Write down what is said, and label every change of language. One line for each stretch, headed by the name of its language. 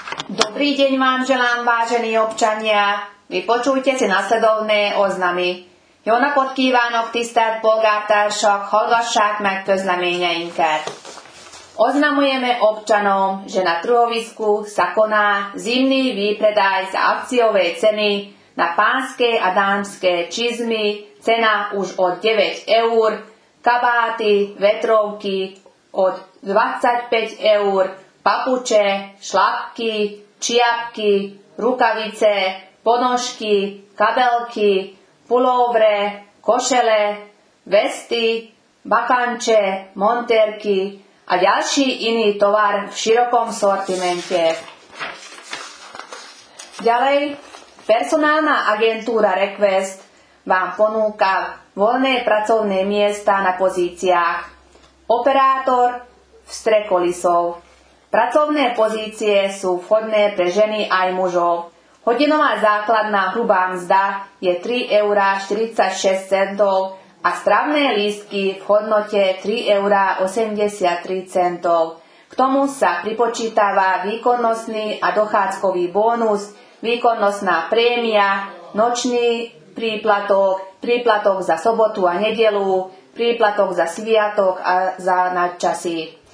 Slovak: Dobrý deň vám želám, vážení občania. Vypočujte si nasledovné oznamy.
Hungarian: Jóna kívánok, tisztelt polgártársak, hallgassák meg közleményeinket.
Slovak: Oznamujeme občanom, že na trhovisku sa koná zimný výpredaj za akciové ceny na pánske a dámske čizmy, cena už od 9 eur, kabáty, vetrovky od 25 eur, papuče, šlapky, čiapky, rukavice, ponožky, kabelky, pulovre, košele, vesty, bakanče, monterky a ďalší iný tovar v širokom sortimente. Ďalej, personálna agentúra Request vám ponúka voľné pracovné miesta na pozíciách. Operátor vstrekolisov. Pracovné pozície sú vhodné pre ženy aj mužov. Hodinová základná hrubá mzda je 3,46 € a stravné lístky v hodnote 3,83 €. K tomu sa pripočítava výkonnostný a dochádzkový bónus, výkonnostná prémia, nočný príplatok, príplatok za sobotu a nedeľu, príplatok za sviatok a za nadčasy.